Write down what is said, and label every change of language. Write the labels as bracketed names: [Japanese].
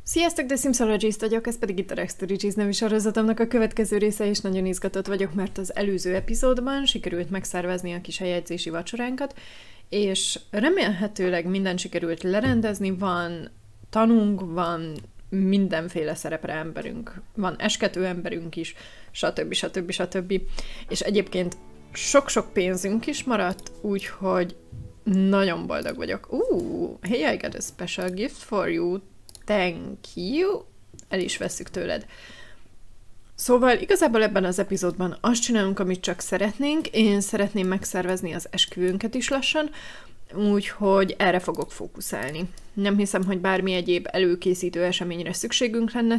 [Hungarian] Sziasztok, The Simsologist vagyok, ez pedig itt a Rexturgis nevű sorozatomnak a következő része, és nagyon izgatott vagyok, mert az előző epizódban sikerült megszervezni a kis helyjegyzési vacsoránkat, és remélhetőleg minden sikerült lerendezni, van tanunk, van mindenféle szerepre emberünk, van eskető emberünk is, stb. És egyébként sok-sok pénzünk is maradt, úgyhogy nagyon boldog vagyok. [English] Hey, I got a special gift for you. Thank you. [Hungarian] El is veszük tőled. Szóval igazából ebben az epizódban azt csinálunk, amit csak szeretnénk. Én szeretném megszervezni az esküvőnket is lassan, úgyhogy erre fogok fókuszálni. Nem hiszem, hogy bármi egyéb előkészítő eseményre szükségünk lenne.